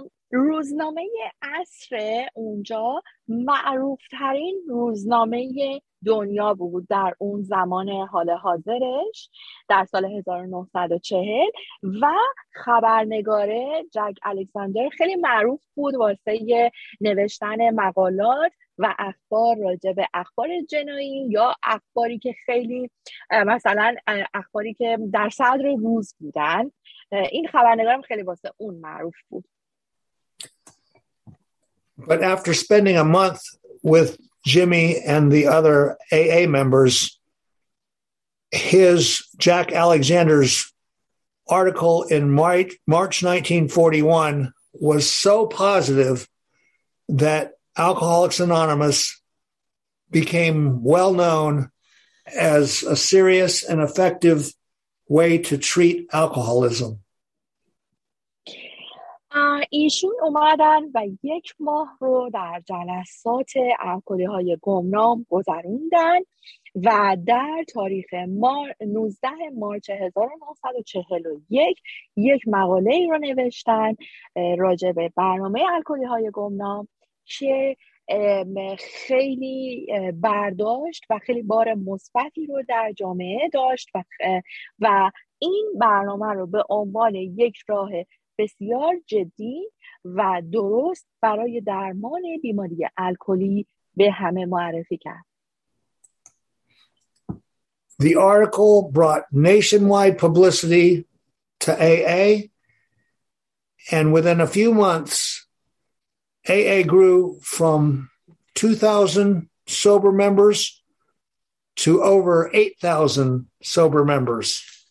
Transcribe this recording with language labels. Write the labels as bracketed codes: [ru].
[fa] روزنامه عصر اونجا معروفترین روزنامه دنیا بود در اون زمان حال حاضرش در سال 1940، و خبرنگار جک الکساندر خیلی معروف بود واسه نوشتن مقالات و اخبار راجع به اخبار جنایی، یا اخباری که خیلی مثلا اخباری که در صدر روز بودن. این خبرنگارم خیلی واسه اون معروف بود. [en] But after spending a month with Jimmy and the other AA members, his Jack Alexander's article in March 1941 was so positive that Alcoholics Anonymous became well known as a serious and effective way to treat alcoholism. [fa] ایشون اومدن و یک ماه رو در جلسات الکلی‌های گمنام گذروندن، و در تاریخ 19 مارچ 1941 یک مقاله ای رو نوشتن راجع به برنامه الکلی‌های گمنام که خیلی برداشت و خیلی بار مثبتی رو در جامعه داشت، و این برنامه رو به عنوان یک راه بسیار جدی و درست برای درمان بیماری الکلی به همه معرفی کرد. [en] The article brought nationwide publicity to AA, and within a few months AA grew from 2,000 sober members to over 8,000 sober members.